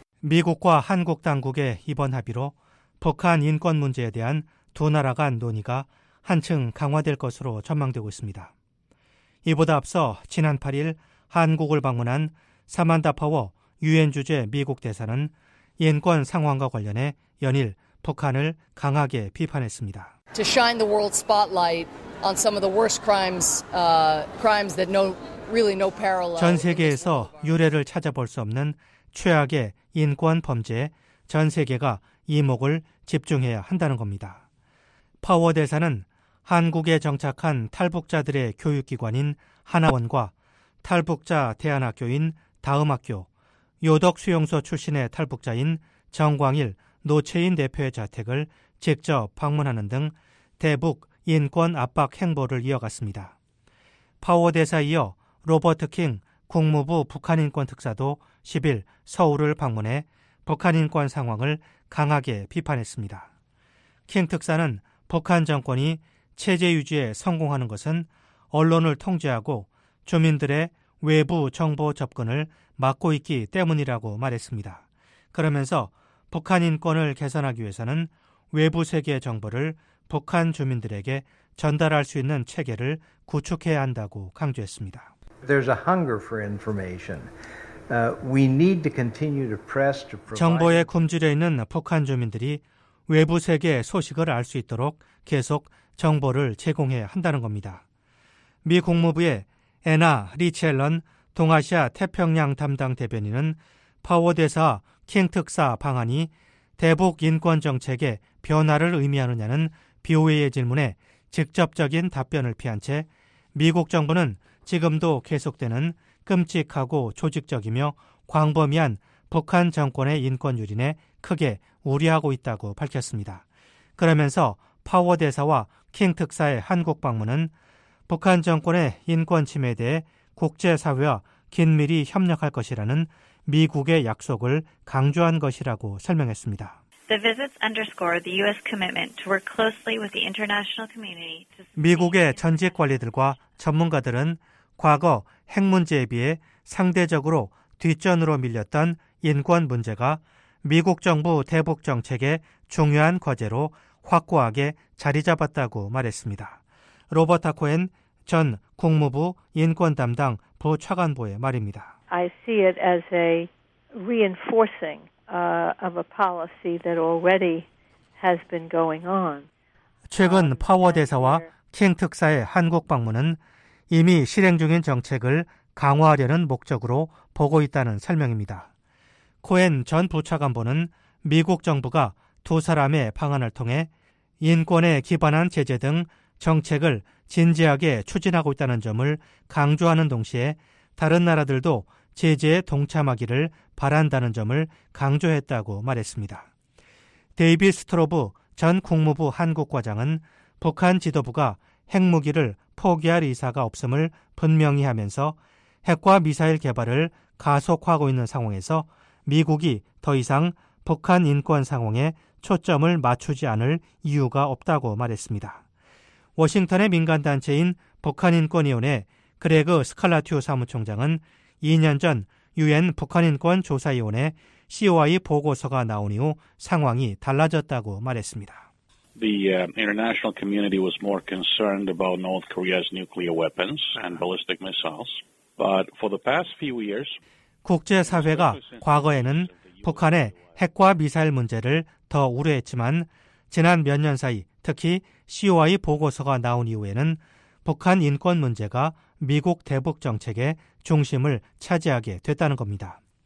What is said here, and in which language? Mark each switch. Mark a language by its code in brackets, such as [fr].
[ko] 미국과 한국 당국의 이번 합의로 북한 인권 문제에 대한 두 나라 간 논의가 한층 강화될 것으로 전망되고 있습니다. 이보다 앞서 지난 8일 한국을 방문한 사만다 파워 유엔 주재 미국 대사는 인권 상황과 관련해 연일 북한을 강하게 비판했습니다. [en] To shine the world spotlight on some of the worst crimes that no parallel. [ko] 전 세계에서 유례를 찾아볼 수 없는 최악의 인권 범죄에 전 세계가 이목을 집중해야 한다는 겁니다. 파워 대사는 한국에 정착한 탈북자들의 교육기관인 하나원과 탈북자 대안학교인 다음학교, 요덕수용소 출신의 탈북자인 정광일, 노채인 대표의 자택을 직접 방문하는 등 대북 인권 압박 행보를 이어갔습니다. 파워 대사 이어 로버트 킹 국무부 북한인권특사도 10일 서울을 방문해 북한인권 상황을 강하게 비판했습니다. 킹 특사는 북한 정권이 체제 유지에 성공하는 것은 언론을 통제하고 주민들의 외부 정보 접근을 막고 있기 때문이라고 말했습니다. 그러면서 북한 인권을 개선하기 위해서는 외부 세계의 정보를 북한 주민들에게 전달할 수 있는 체계를 구축해야 한다고 강조했습니다. [en] There's a hunger for information. We need to continue to press to provide. [ko] 정보에 굶주려 있는 북한 주민들이 외부 세계의 소식을 알 수 있도록 계속 정보를 제공해야 한다는 겁니다. 미 국무부의 에나 리첼런 동아시아 태평양 담당 대변인은 파워 대사 킹 특사 방안이 대북 인권 정책의 변화를 의미하느냐는 BOA의 질문에 직접적인 답변을 피한 채 미국 정부는 지금도 계속되는 끔찍하고 조직적이며 광범위한 북한 정권의 인권 유린에 크게 우려하고 있다고 밝혔습니다. 그러면서 파워 대사와 킹 특사의 한국 방문은 북한 정권의 인권 침해에 대해 국제사회와 긴밀히 협력할 것이라는 미국의 약속을 강조한 것이라고 설명했습니다. [en] The visits underscore the U.S. commitment to work closely with the international community. [ko] 미국의 전직 관리들과 전문가들은 과거 핵 문제에 비해 상대적으로 뒷전으로 밀렸던 인권 문제가 미국 정부 대북 정책의 중요한 과제로 확고하게 자리 잡았다고 말했습니다. 로버타 코엔 전 국무부 인권 담당 부차관보의 말입니다. [en] I see it as a reinforcing of a policy that already has been going on. [ko] 최근 파워 대사와 킹 특사의 한국 방문은 이미 실행 중인 정책을 강화하려는 목적으로 보고 있다는 설명입니다. 코엔 전 부차관보는 미국 정부가 두 사람의 방안을 통해 인권에 기반한 제재 등 정책을 진지하게 추진하고 있다는 점을 강조하는 동시에 다른 나라들도 제재에 동참하기를 바란다는 점을 강조했다고 말했습니다. 데이비 스트로브 전 국무부 한국과장은 북한 지도부가 핵무기를 포기할 의사가 없음을 분명히 하면서 핵과 미사일 개발을 가속화하고 있는 상황에서 미국이 더 이상 북한 인권 상황에 초점을 맞추지 않을 이유가 없다고 말했습니다. 워싱턴의 민간단체인 북한인권위원회 그레그 스칼라티오 사무총장은 2년 전 유엔 북한인권조사위원회 COI 보고서가 나온 이후 상황이 달라졌다고 말했습니다. [en] The international community was more concerned about North Korea's nuclear weapons and ballistic missiles. But for the past few years, [ko] 국제사회가 과거에는 북한의 핵과 미사일 문제를 더 우려했지만 지난 몇 년 사이 특히 COI 보고서가 나온 이후에는 북한 인권 문제가 미국 대북 정책의 중심을 차지하게 됐다는 겁니다.